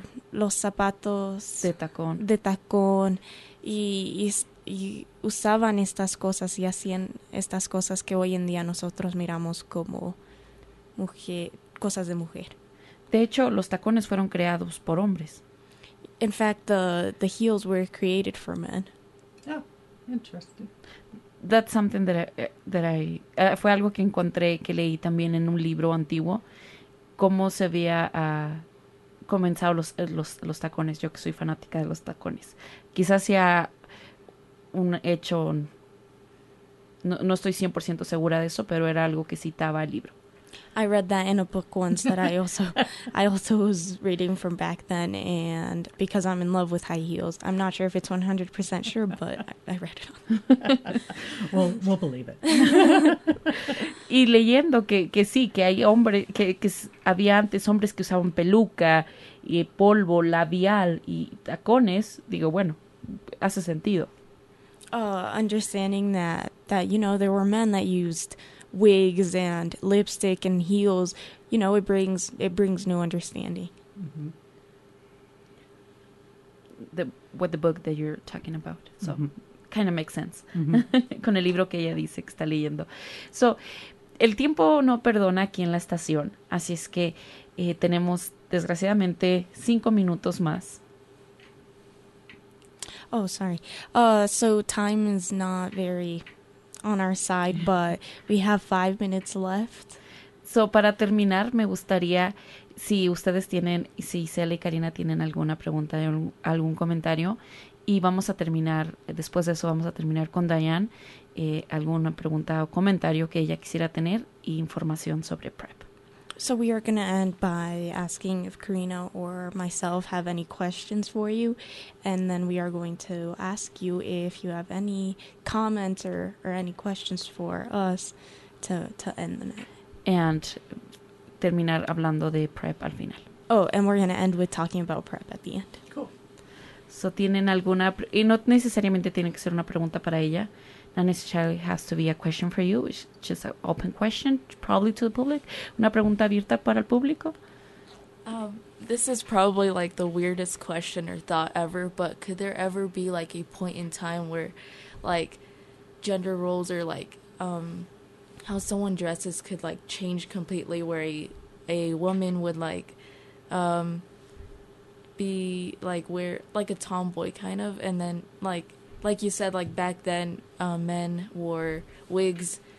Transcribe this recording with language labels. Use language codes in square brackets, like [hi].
[es] los zapatos de tacón y usaban estas cosas y hacían estas cosas que hoy en día nosotros miramos como cosas de mujer. De hecho, los tacones fueron creados por hombres. [en] In fact, the heels were created for men. Oh, interesting. That's something that I [es] fue algo que encontré, que leí también en un libro antiguo, cómo se veía a comenzado los tacones, yo que soy fanática de los tacones. Quizás sea un hecho, no estoy 100% segura de eso, pero era algo que citaba el libro. [en] I read that in a book once that I also was reading from back then, and because I'm in love with high heels, I'm not sure if it's 100% sure, but I read it on. we'll believe it. [es] Y leyendo que sí, que hay hombres, que había antes hombres que usaban peluca y polvo labial y tacones, digo, bueno, hace sentido. [en] Understanding that you know, there were men that used wigs and lipstick and heels, you know, it brings new understanding. Mm-hmm. The book that you're talking about, so mm-hmm. kind of makes sense. Mm-hmm. [es] Con el libro que ella dice que está leyendo. So, el tiempo no perdona aquí en la estación, así es que tenemos desgraciadamente 5 minutos más. [en] Oh, sorry. So time is not very on our side, but we have 5 minutes left. [es] So, para terminar, me gustaría, si ustedes tienen, si Isela y Karina tienen alguna pregunta, algún comentario, y vamos a terminar, después de eso vamos a terminar con Diane, alguna pregunta o comentario que ella quisiera tener, y información sobre PrEP. [en] So we are going to end by asking if Karina or myself have any questions for you, and then we are going to ask you if you have any comments or any questions for us to end the night. [es] And terminar hablando de PrEP al final. [en] Oh, and we're going to end with talking about PrEP at the end. Cool. [es] So tienen alguna, y no necesariamente tiene que ser una pregunta para ella. [en] Not necessarily has to be a question for you. It's just an open question, probably to the public. [es] Una pregunta abierta para el público. [en] This is probably like the weirdest question or thought ever, but could there ever be like a point in time where like gender roles or like how someone dresses could like change completely, where a woman would like be like wear like a tomboy kind of, and then like, like you said, like back then, men wore wigs.